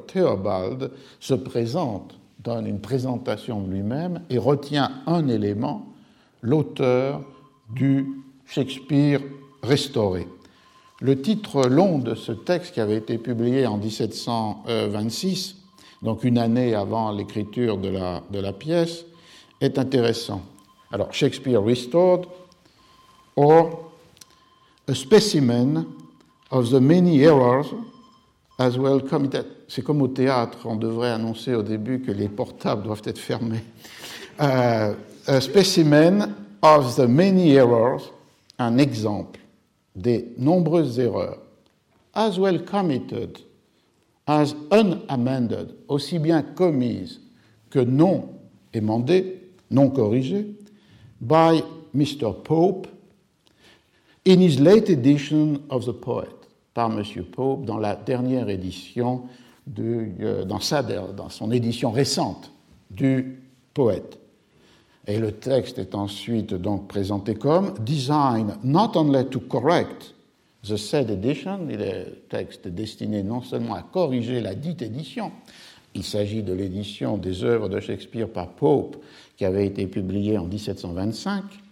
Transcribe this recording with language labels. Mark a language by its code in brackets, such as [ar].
[fr] Theobald se présente, donne une présentation de lui-même et retient un élément, l'auteur du Shakespeare restauré. Le titre long de ce texte qui avait été publié en 1726, donc une année avant l'écriture de la pièce, est intéressant. [en] Alors, Shakespeare Restored, or A Specimen of the Many Errors as Well Committed. [fr] C'est comme au théâtre, on devrait annoncer au début que les portables doivent être fermés. [en] A Specimen of the Many Errors, [fr] un exemple des nombreuses erreurs, [en] as well committed as unamended, [fr] aussi bien commises que non émendées, non corrigées, [en] by Mr. Pope in his late edition of the poet, [fr] par M. Pope dans la dernière édition, dans son édition récente du poète. Et le texte est ensuite donc présenté comme « [en] Design not only to correct the said edition [fr] », le texte est destiné non seulement à corriger la dite édition, il s'agit de l'édition des œuvres de Shakespeare par Pope qui avait été publiée en 1725,